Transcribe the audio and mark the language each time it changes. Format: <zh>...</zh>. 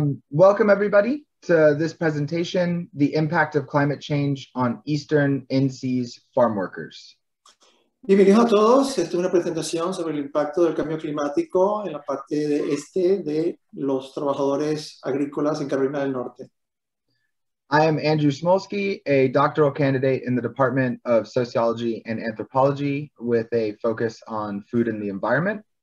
<en>Welcome everybody to this presentation, The Impact of Climate Change on Eastern NC's Farm Workers.</en> <es>Bienvenidos a todos. Esta es una presentación sobre el impacto del cambio climático en la parte de este de los trabajadores agrícolas en Carolina del Norte.</es> <en>I am Andrew Smolsky, a doctoral candidate in the Department of Sociology and Anthropology with a focus on food and the environment.</en>